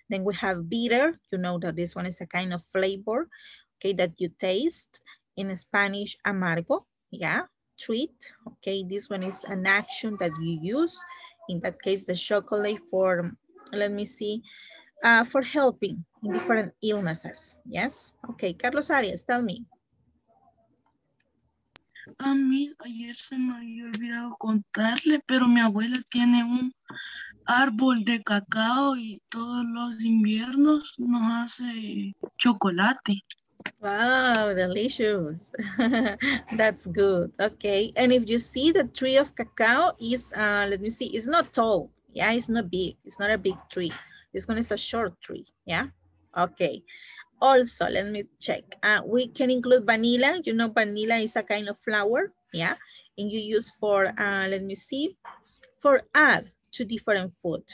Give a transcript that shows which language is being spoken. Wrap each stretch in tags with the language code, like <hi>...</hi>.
<en>Then we have bitter. You know that this one is a kind of flavor, okay, that you taste. In Spanish, amargo, yeah, treat, okay, this one is an action that you use, in that case, the chocolate for, let me see, for helping in different illnesses, yes? Okay, Carlos Arias, tell me.</en> <es>A mí, ayer se me había olvidado contarle, pero mi abuela tiene un árbol de cacao y todos los inviernos nos hace chocolate.</es> <en>Wow, delicious. That's good. Okay. And if you see the tree of cacao is, let me see, it's not tall. Yeah, it's not big. It's not a big tree. This one is a short tree. Yeah. Okay. Also, let me check. We can include vanilla. You know, vanilla is a kind of flower. Yeah. And you use for, let me see, for add to different food.</en>